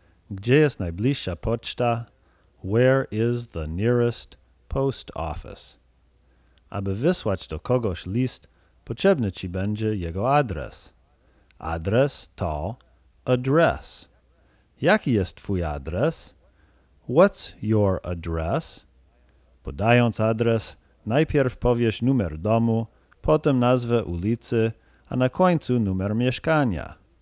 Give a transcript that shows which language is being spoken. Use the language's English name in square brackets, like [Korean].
[Polish] Gdzie jest najbliższa poczta? [English] Where is the nearest post office? [Polish] Aby wysłać do kogoś list, potrzebny ci będzie jego adres. Adres to address. Jaki jest twój adres? [English] What's your address? [Polish] Podając adres, najpierw powiesz numer domu, potem nazwę ulicy, a na końcu numer mieszkania.